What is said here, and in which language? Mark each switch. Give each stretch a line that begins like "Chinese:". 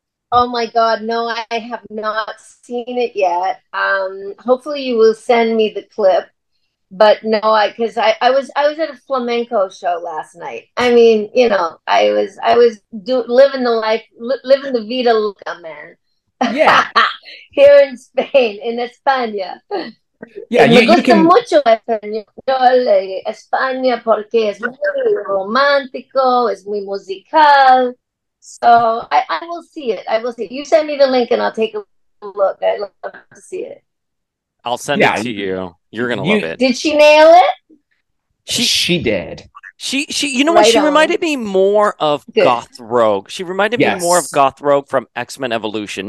English: Oh my God, no, I have not seen it yet. Hopefully you will send me the clip. But no, I was at a flamenco show last night. I mean, you know, I was living the vida loca, man. Yeah, here in Spain, in España. Yeah,
Spanish: me gusta mucho España porque es muy romántico, es muy musical.
English: So I will see it. I will see it. You send me the link and I'll take a look. I'd love to see it. I'll send it to you. You're gonna love it. Did she nail it? She did. She you know what? She reminded me more of Goth Rogue. She reminded me more of Goth Rogue from X-Men Evolution.